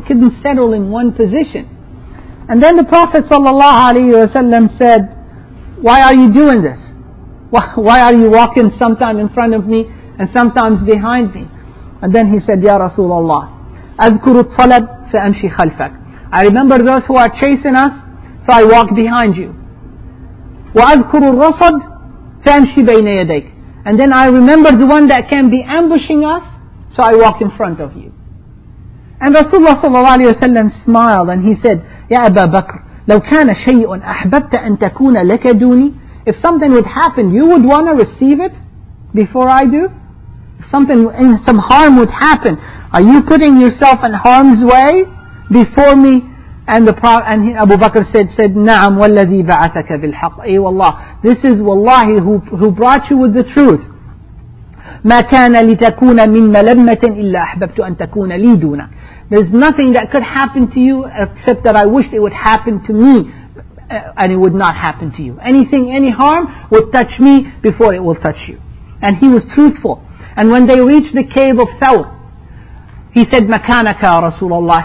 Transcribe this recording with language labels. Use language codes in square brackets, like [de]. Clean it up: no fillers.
[en] He couldn't settle in one position. And then the Prophet sallallahu alaihi wasallam said, "Why are you doing this? Why are you walking sometimes in front of me and sometimes behind me?" And then he said, [ar] "Ya Rasulullah, أذكر الطلب فأمشي خلفك." [en] I remember those who are chasing us, so I walk behind you. [ar] وأذكر الرصد فأمشي بين يديك. [en] And then I remember the one that can be ambushing us, so I walk in front of you. And Rasulullah sallallahu alaihi wasallam smiled and he said, [ar] يا أبا بكر لو كان شيء أحببت أن تكون لك دوني. [en] If something would happen, you would want to receive it before I do. If something, and some harm would happen, are you putting yourself in harm's way before me? And the Prophet, and Abu Bakr said, [ar] نعم والذي بعثك بالحق. أي والله, [en] this is wallahi who brought you with the truth. [ar] ما كان لتكون من ملمة إلا أحببت أن تكون لي دونك. [en] There's nothing that could happen to you except that I wished it would happen to me, and it would not happen to you. Anything, any harm would touch me before it will touch you. And he was truthful. And when they reached the cave of Thawr, he said, [ar] مَكَانَكَ يَا رَسُولَ اللَّهِ.